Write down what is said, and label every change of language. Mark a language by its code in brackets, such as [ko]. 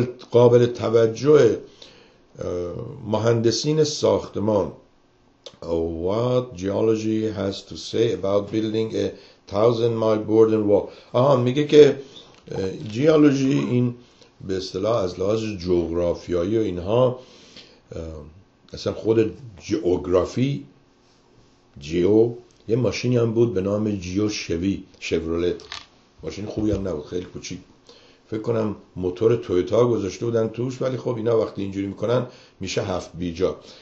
[fa] قابل توجه مهندسین ساختمان. [en] What geology has to say about building a 1000-mile border wall. [fa] آها میگه که جیولوژی این به اصطلاح از لحاظ جغرافیایی و اینها اصلا خود جیوگرافی جیو یه ماشینی هم بود به نام جیو شوی شورولت، ماشین خوبی هم نبود، خیلی کوچیک، فکر کنم موتور تویوتا گذاشته بودن توش، ولی خب اینا وقتی اینجوری میکنن میشه هفت بیجا.